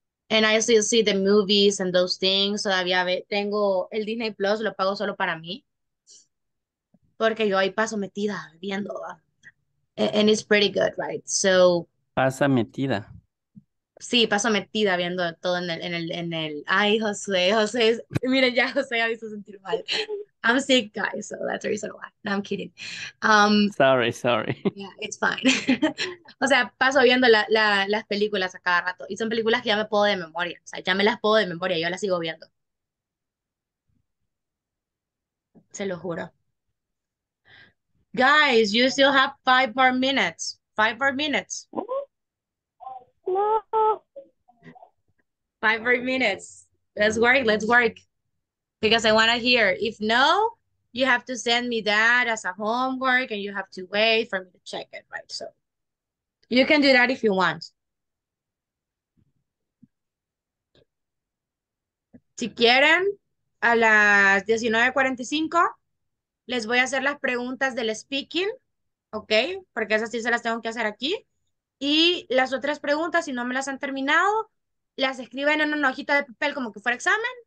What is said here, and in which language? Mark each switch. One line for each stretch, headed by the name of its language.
English: And I still see the movies and those things,
Spanish: todavía ve tengo el Disney Plus, lo pago solo para mí. Porque yo ahí paso metida viendo.
English: And it's pretty good, right?
Spanish: So, Pasa metida. sí, paso metida viendo todo en el. Ay, José, José, miren, ya José me hizo sentir mal.
English: I'm sick, guys, so that's the reason why. No, I'm kidding. Sorry. Yeah, it's fine.
Spanish: O sea, paso viendo las películas a cada rato. Y son películas que ya me puedo de memoria. O sea, ya me las puedo de memoria, yo las sigo viendo. Se lo juro.
English: Guys, you still have 5 more minutes. 5 more minutes. No. 5 more minutes. Let's work, let's work. Because I want to hear. If no, you have to send me that as a homework and you have to wait for me to check it, right? So you can do that if you want.
Spanish: Si quieren, a las 19:45 les voy a hacer las preguntas del speaking, ¿ok? Porque esas sí se las tengo que hacer aquí. Y las otras preguntas, si no me las han terminado, las escriben en una hojita de papel como que fuera examen.